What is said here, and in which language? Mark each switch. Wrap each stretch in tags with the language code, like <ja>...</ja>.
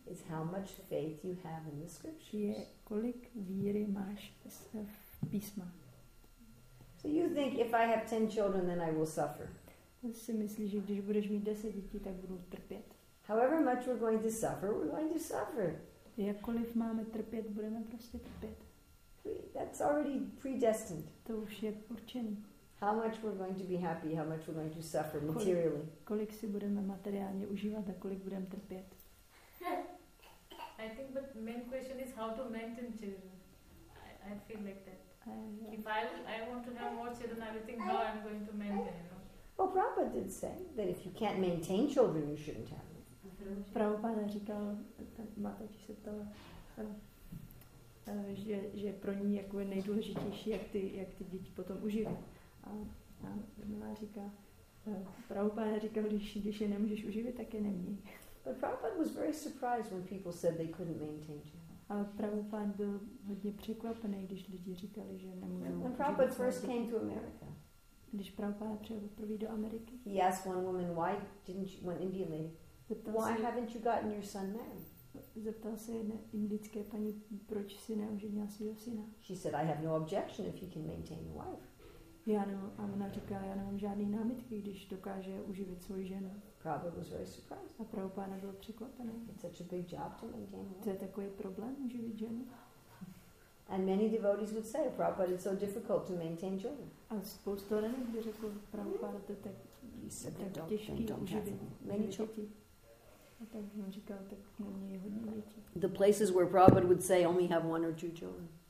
<en>is how much faith you have in the scriptures.</en> <cs>Je kolik víry máš v písma.</cs> <en>So you think if I have 10 children, then I will suffer.</en> <cs>Si myslí, že když budeš mít 10 dětí, tak budu trpět.</cs> <en>However much we're going to suffer, we're going to suffer.</en> <cs>Jakkoliv máme trpět, budeme prostě trpět.</cs> <en>That's already predestined.</en> <cs>To už je určený.</cs> <en>How much we're going to be happy, how much we're going to suffer materially.</en> <cs>Kolik si budeme materiálně užívat a kolik budeme trpět.</cs> <en>I think the main question is how to maintain children. I feel like that. If I want to have more children, I will think how I'm going to maintain. Well, Prabhupada did say that if you can't maintain children, you shouldn't have them.</en> <cs>Prabhupada říkal, Mataji se ptala, že pro ní jako je nejdůležitější, jak ty děti potom uživí. A Mila říká, Prabhupada říkal, když je nemůžeš uživit, tak je neměj.</cs> <en>But Prabhupada was very surprised when people said they couldn't maintain children.</en> <cs>A Prabhupada byl hodně překvapený, když lidi říkali, že nemůžou.</cs> <en>When Prabhupada first came to America,</en> <cs>když Prabhupada přijel poprvé do Ameriky,</cs> <en>he asked one woman, why didn't you, one Indian lady, why haven't you gotten your son married?</en> <cs>Zeptal se jedné indické paní, proč si neuženila svého syna.</cs> <en>She said, I have no objection if he can maintain a wife.</en> <cs>A ona říká, já nemám žádný námitky, když dokáže uživit svou ženu.</cs> <en>Prabhupada was very surprised.</en> <cs>A Prabhupada byl překvapený.</cs> <en>It's such a big job to maintain.</en> <cs>To je takový problém, uživit ženu.</cs> <en>And many devotees would say, Prabhupada, it's so difficult to maintain children.</en> <cs>A spoustu lidí by řekl, Prabhupada, to je tak těžký uživit děti. A tak on říkal, tak neměj hodně děti.</cs> <en>The places where Prabhupada would say, only have one or two children.</en>